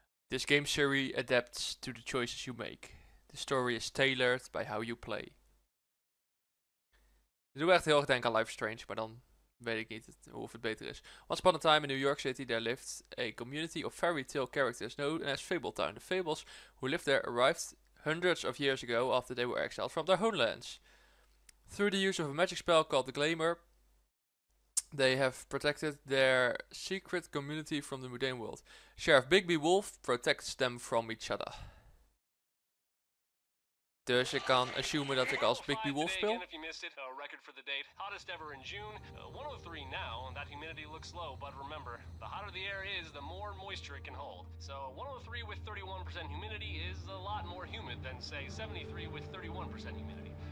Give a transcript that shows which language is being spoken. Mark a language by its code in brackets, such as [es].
[en] This game series adapts to the choices you make. The story is tailored by how you play. [nl] Ik doe echt heel erg denken aan Life is Strange, maar dan weet ik niet of het beter is. [en] Once upon a time in New York City, there lived a community of fairy tale characters known as Fable Town. The Fables who lived there arrived hundreds of years ago after they were exiled from their homelands. Through the use of a magic spell called the Glamour, they have protected their secret community from the mundane world. Sheriff Bigby Wolf protects them from each other. [nl] Dus ik kan assumen dat ik als Bigby Wolf speel. [en] If you missed it, a record for the date. Hottest ever in June. 103 now, and that humidity looks low. But remember, the hotter the air is, the more moisture it can hold. So 103 with 31% humidity is a lot more humid than, say, 73 with 31% humidity.